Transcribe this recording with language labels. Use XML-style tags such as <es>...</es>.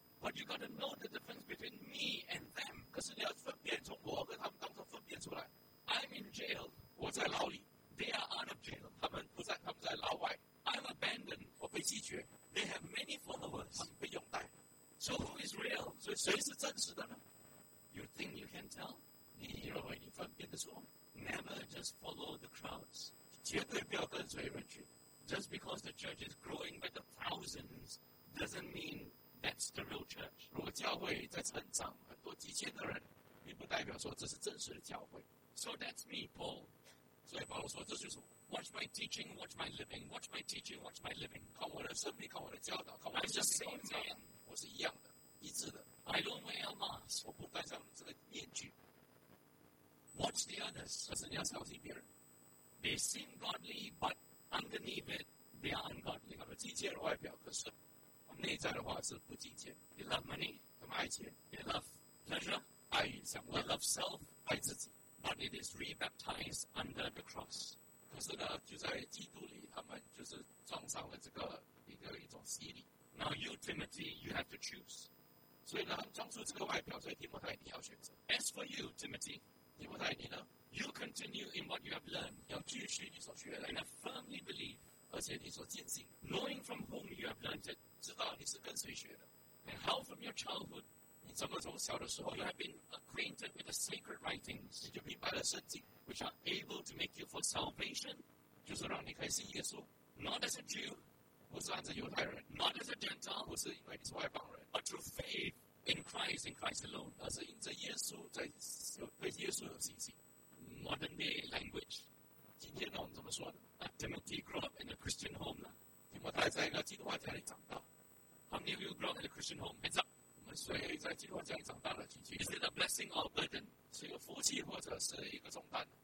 <en>But you got to know the difference between me and them.</en> <zh>可是你要分辨从我和他们当中分辨出来。</zh> <en>I'm in jail.</en> <zh>我在牢里。</zh> <en>They are out of jail.</en> <zh>他们不在，他们在牢外。</zh> <en>I'm abandoned.</en> <zh>我被拒绝。</zh> <en>They have many followers.</en> <zh>他们被拥戴。</zh> <en>So who is real?</en> <zh>所以谁是真实的呢？</zh> <en>You think you can tell?</en> <zh>你认为你分辨得出？</zh> <en>Never just follow the crowds.</en> <zh>绝对不要跟随人群。</zh> <en>Just because the church is growing by the thousands doesn't mean that's the real church.</en> <zh>如果教会在成长很多几千的人，并不代表说这是真实的教会。</zh> <en>So that's me, Paul.</en> <zh>所以保罗说这就是我。</zh> <en>Watch my teaching, watch my living, watch my teaching, watch my living.</en> <zh>看我的生命，看我的教导，看我的生命，看我的教导。我是一样的，一致的。</zh> <en>I don't wear a mask.</en> <zh>我不戴上这个面具。</zh> <en>Watch the others.</en> <zh>可是你要小心别人。</zh> <en>They seem godly, but underneath it, they are ungodly.</en> <zh>他们敬虔的外表，可是他们内在的话是不敬虔。</zh> <en>They love money,</en> <zh>他们爱钱。</zh> <en>They love pleasure,</en> <zh>爱与享乐。</zh> <en>They love self,</en> <zh>爱自己。</zh> <en>But it is rebaptized under the cross.</en> <zh>可是呢，就在基督里，他们就是撞上了这个一种洗礼。</zh> <en>Now you, Timothy, you have to choose.</en> <zh>所以呢，撞出这个外表，所以提摩太你要选择。</zh> <en>As for you, Timothy,</en> <zh>提摩太你呢？</zh> <en>You continue in what you have learned.</en> <zh>要继续你所学的。</zh> <en>And I firmly believe.</en> <zh>而且你所坚信。</zh> <en>Knowing from whom you have learned it.</en> <zh>知道你是跟谁学的。</zh> <en>And how from your childhood.</en> <zh>你怎么从小的时候。</zh> <en>You have been acquainted with the sacred writings.</en> <zh>你就明白了圣经。</zh> <en>Which are able to make you for salvation.</en> <zh>就是让你可以信耶稣。</zh> <en>Not as a Jew.</en> <zh>不是按照犹太人。</zh> <en>Not as a Gentile.</en> <zh>不是因为你是外邦人。</zh> <en>But through faith in Christ, in Christ alone.</en> <zh>而是因着耶稣在对耶稣有信心。</zh> <en>Modern day language.</en> <zh>今天呢，我们怎么说呢</zh> <en>？Timothy grew up in a Christian home.</en> <zh>提摩太在一个基督化家里长大。</zh> <en>How many of you grew up in a Christian home? Hands up.</en> <zh>谁在基督教家里长大的？是</zh> <en>it a blessing or a burden？</en> <zh>是一个福气或者是一个重担</zh>